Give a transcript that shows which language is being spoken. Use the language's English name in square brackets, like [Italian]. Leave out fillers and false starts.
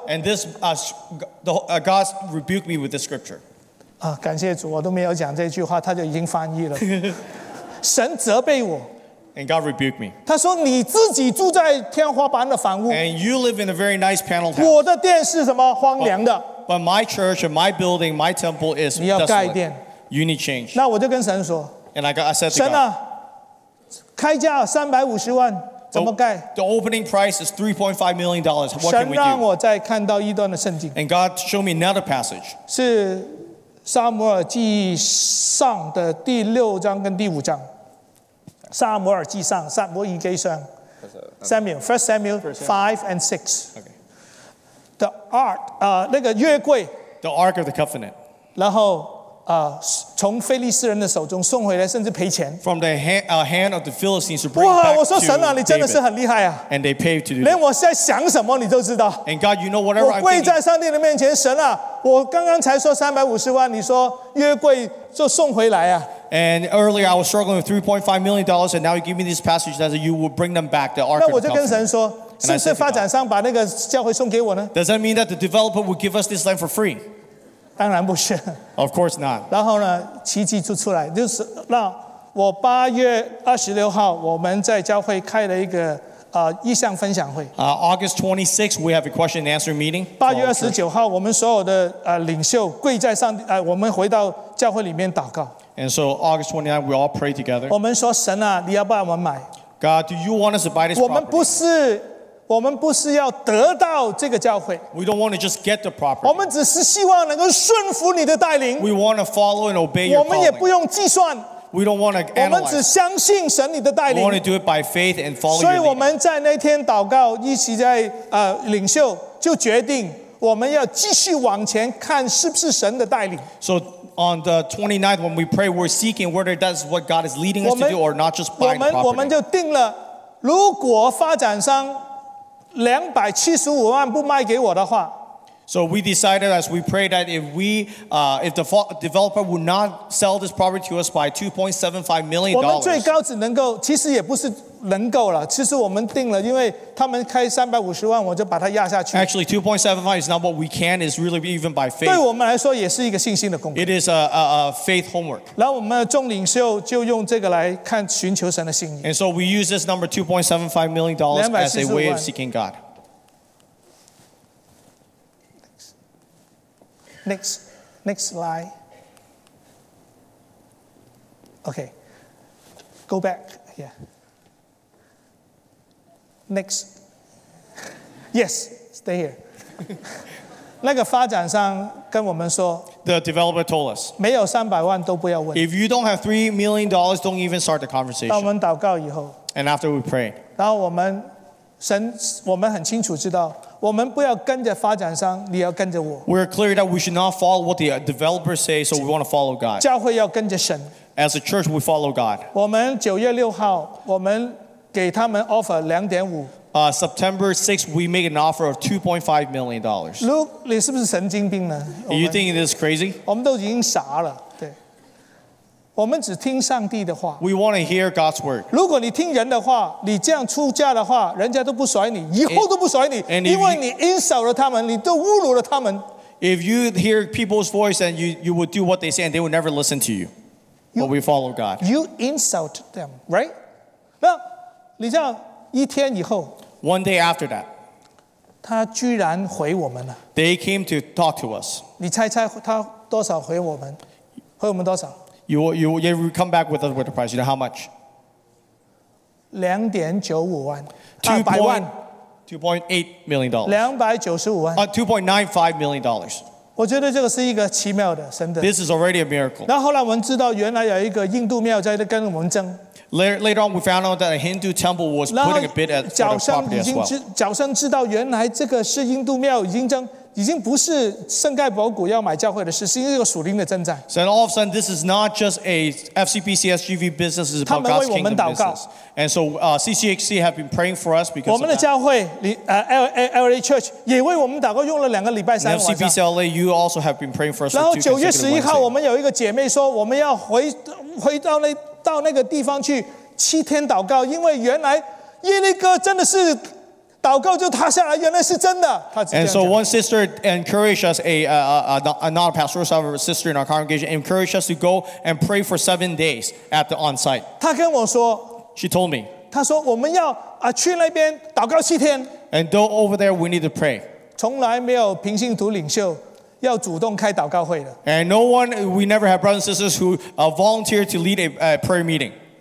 [English] And this God rebuked me with this scripture. [Chinese] 啊，感谢主，我都没有讲这句话，他就已经翻译了。神责备我。 [English] And God rebuked me. [Chinese] 他说你自己住在天花板的房屋。 [English] And you live in a very nice panel house. [Chinese] 我的殿是什么荒凉的。 [English] But my church and my building, my temple is desolate. [Chinese] 你要盖殿。 [English] You need change. [Chinese] 那我就跟神说。 [English] And I said to God. [Chinese] 神啊，开价350万，怎么盖？ [English] The opening price is $3.5 million. What can we do? [Chinese] 神让我再看到一段的圣经。 [English] And God showed me another passage. [Chinese] 是撒母耳记上的第六章跟第五章。撒母耳记上，撒母耳记上。 [English] Samuel, First Samuel 5 and 6. The ark, [Chinese] 那个约柜。 [English] The ark of the covenant. [Chinese] 然后从非利士人的手中送回来，甚至赔钱。 [English] From the hand of the Philistines to bring back to David. [Chinese] 哇，我说神啊，你真的是很厉害啊。 [English] And they paid to do. [Chinese] 连我在想什么你都知道。 [English] And God, you know whatever I'm thinking. [Chinese] 我跪在上帝的面前，神啊，我刚刚才说350万，你说约柜就送回来啊。 [English] And earlier I was struggling with $3.5 million, and now you give me this passage that you will bring them back the ark. [Chinese] 那我就跟神说，是不是发展商把那个教会送给我呢 [English] ？Does that mean that the developer will give us this land for free？ [Chinese] 当然不是。 [English] Of course not. [Chinese] 然后呢，奇迹就出来，就是那我8月26号，我们在教会开了一个意向分享会。 [English] August 26th, we have a question and answer meeting. [Chinese] 8月29号，我们所有的领袖跪在上帝，我们回到教会里面祷告。 [English] And so August 29th, we all pray together. [Chinese] 我们说神啊，你要不要我们买 [English] ？God, do you want us to buy this property? [Chinese] 我们不是要得到这个教会。 [English] We don't want to just get the property. [Chinese] 我们只是希望能够顺服你的带领。 [English] We want to follow and obey your calling. [Chinese] 我们也不用计算。 [English] We don't want to analyze. [Chinese] 我们只相信神你的带领。 [English] We want to do it by faith and follow your leading. [Chinese] 所以我们在那天祷告，一起在领袖就决定，我们要继续往前看，是不是神的带领。 [English] So on the 29th, when we pray, we're seeking whether that's what God is leading us to do or not just buying property. [Chinese] 我们就定了，如果发展商275万不卖给我的话。 [English] So we decided as we prayed that if the developer would not sell this property to us by $2.75 million. [Chinese] 我们最高只能够，其实也不是能够了。其实我们定了，因为他们开350万，我就把它压下去。 [English] Actually, 2.75 is not what we can. It's really even by faith. [Chinese] 对我们来说也是一个信心的功课。 [English] It is a faith homework. [Chinese] 然后我们众领袖就用这个来看寻求神的心意。 [English] And so we use this number $2.75 million as a way of seeking God. Next slide. Okay. Go back. Yeah. Next, yes, stay here. [Chinese] 那个发展商跟我们说 [English] ，The developer told us, [Chinese] 没有三百万都不要问。 [English] If you don't have $3 million, don't even start the conversation. [Chinese] 当我们祷告以后 [English] ，And after we pray, [Chinese] 然后我们神，我们很清楚知道，我们不要跟着发展商，你要跟着我。 [English] We're clear that we should not follow what the developer says, so we want to follow God. [Chinese] 教会要跟着神。 [English] As a church, we follow God. [Chinese] 我们9月6号，我们。给他们 offer 2.5。 [English] September 6th, we make an offer of $2.5 million. [Chinese] Look, 你是不是神经病呢 [English] ？Do you think it is crazy? [Chinese] 我们都已经傻了，对。我们只听上帝的话。 [English] We want to hear God's word. [Chinese] 如果你听人的话，你这样出价的话，人家都不甩你，以后都不甩你，因为你 insult 了他们，你都侮辱了他们。 [English] If you hear people's voice and you would do what they say, and they would never listen to you, but we follow God. You insult them, right? No. [Chinese] 你知道一天以后 [English] ，One day after that， [Chinese] 他居然回我们了。 [English] They came to talk to us。 [Chinese] 你猜猜他多少回我们？回我们多少 [English] ？You come back with us with the price. You know how much？ [Chinese] 2.95万。 [English] 2.8 million dollars。 [Chinese] 295万。 [English] 2.95 million dollars。 [Chinese] 我觉得这个是一个奇妙的神的。 [English] This is already a miracle。 [Chinese] 那后来我们知道，原来有一个印度庙在跟我们争。 [English] Later on, we found out that a Hindu temple was putting a bid at the property as well. [Chinese] 脚上知道原来这个是印度庙已经不是圣盖博谷要买教会的事，是一个属灵的征战。 [English] So all of a sudden, this is not just a FCPC SGV business, it's about God's kingdom business. And so CCHC have been praying for us because [Chinese] 我们的教会LA Church 也为我们祷告，用了两个礼拜三晚上。 [English] FCPC LA, you also have been praying for us. [Chinese] 然后9月11号，我们有一个姐妹说，我们要回到那。到那个地方去七天祷告，因为原来耶利哥真的是祷告就塌下来，原来是真的。 [English] And so one sister encouraged us, not a pastoral sister in our congregation, encouraged us to go and pray for 7 days at the onsite. [Chinese] 她跟我说 [English] ，She told me， [Chinese] 她说我们要去那边祷告七天。 [English] And go over there, we need to pray. [Chinese] 从来没有平信徒领袖。要主动开祷告会的。 [English] And no one, we never have brothers and sisters who volunteer to lead a prayer meeting.